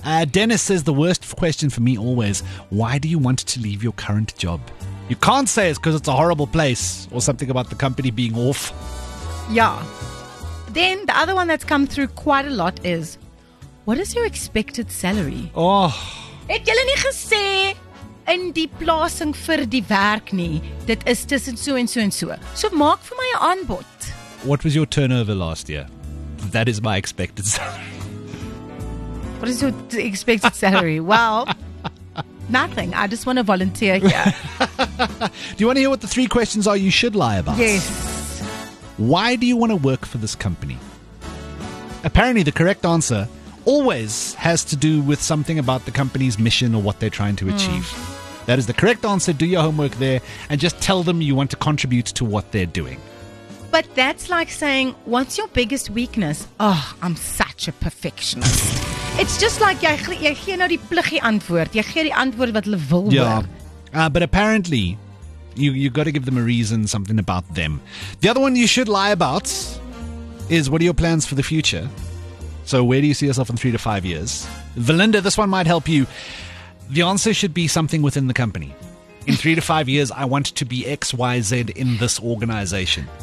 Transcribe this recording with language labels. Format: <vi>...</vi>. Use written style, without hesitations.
<en>Dennis says, the worst question for me always, why do you want to leave your current job? You can't say it's because it's a horrible place or something about the company being off. Yeah. Then the other one that's come through quite a lot is, what is your expected salary? Oh.</en> <af>Het julle nie gesê in die plasing vir die werk nie, dit is tussen so en so en so. So maak vir my 'n aanbod.</af> <en>What was your turnover last year? That is my expected salary. What is your expected salary? Well, nothing. I just want to volunteer here. Do you want to hear what the three questions are you should lie about? Yes. Why do you want to work for this company? Apparently, the correct answer always has to do with something about the company's mission or what they're trying to achieve. That is the correct answer. Do your homework there and just tell them you want to contribute to what they're doing. But that's like saying, what's your biggest weakness? Oh, I'm such a perfectionist. It's just like,</en> <af>jy gee nou die pliggie antwoord. Jy gee die antwoord wat hulle wil hoor.</af> <en>Yeah. But apparently, you got to give them a reason, something about them. The other one you should lie about is, what are your plans for the future? So where do you see yourself in 3 to 5 years? Valinda, this one might help you. The answer should be something within the company. In 3 to 5 years, I want to be X, Y, Z in this organization.</en>